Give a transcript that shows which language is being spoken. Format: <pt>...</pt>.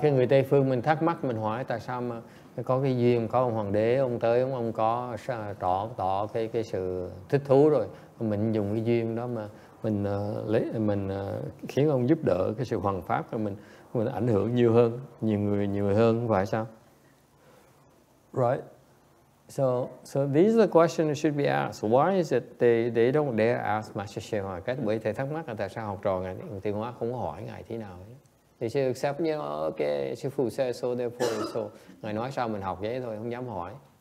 <vi>Cái người Tây Phương mình thắc mắc, mình hỏi tại sao mà có cái duyên, có ông hoàng đế, ông tới, ông có tỏ cái sự thích thú rồi. Mình dùng cái duyên đó mà mình khiến ông giúp đỡ cái sự hoằng pháp, rồi mình ảnh hưởng nhiều hơn, nhiều người hơn, phải sao?</vi> <en>Right. So these are the questions that should be asked. Why is it they don't dare ask Master Shema?</en> <vi>Cái bởi thầy thắc mắc là tại sao học trò ngài Tiên Hóa không hỏi ngài thế nào ấy. Thì sư accept như ok, sư phụ sẽ so therefore so. Ngài nói sao mình học vậy thôi, không dám hỏi.</vi>